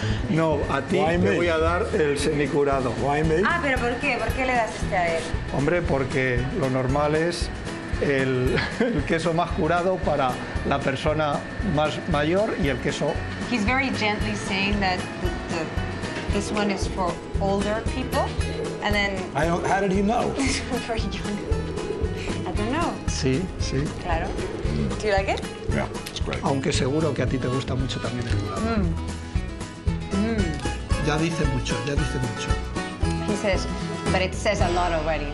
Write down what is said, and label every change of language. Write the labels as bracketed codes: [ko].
[es] No, a ti te voy a dar el semicurado. [en] Why me? [es] Ah, pero ¿por qué? ¿Por qué le das este a él? Hombre, porque lo normal es el queso más curado para la persona más mayor y el queso... [en] He's very gently saying that this one is for older people, and then... How did he know? For young. I don't know. [es] Sí, sí. Claro. [en] Do you like it? Yeah, it's great. [es] Aunque seguro que a ti te gusta mucho también el curado. Ya dice mucho, ya dice mucho. [en] He says, but it says a lot already.